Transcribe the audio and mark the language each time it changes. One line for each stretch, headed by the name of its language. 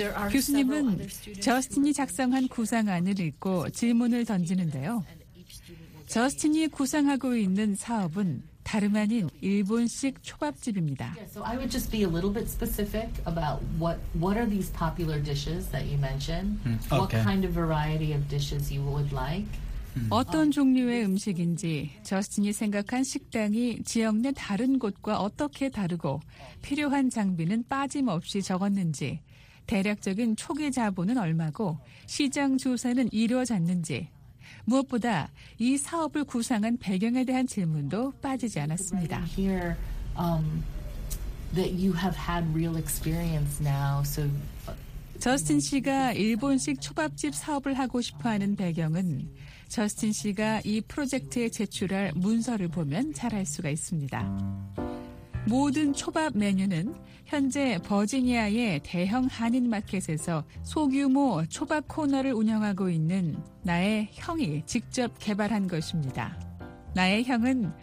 Korean: 교수님은 저스틴이 작성한 구상안을 읽고 질문을 던지는데요. 저스틴이 구상하고 있는 사업은 다름 아닌 일본식 초밥집입니다.
English: So I would just be a little bit specific about what are these popular dishes that you mentioned? What kind of variety of dishes you would like?
Korean: 어떤 종류의 음식인지 저스틴이 생각한 식당이 지역 내 다른 곳과 어떻게 다르고 필요한 장비는 빠짐없이 적었는지 대략적인 초기 자본은 얼마고 시장 조사는 이루어졌는지 무엇보다 이 사업을 구상한 배경에 대한 질문도 빠지지 않았습니다.
English: That you have had real experience now. So
Korean: 저스틴 씨가 일본식 초밥집 사업을 하고 싶어하는 배경은 저스틴 씨가 이 프로젝트에 제출할 문서를 보면 잘 알 수가 있습니다. 모든 초밥 메뉴는 현재 버지니아의 대형 한인 마켓에서 소규모 초밥 코너를 운영하고 있는 나의 형이 직접 개발한 것입니다. 나의 형은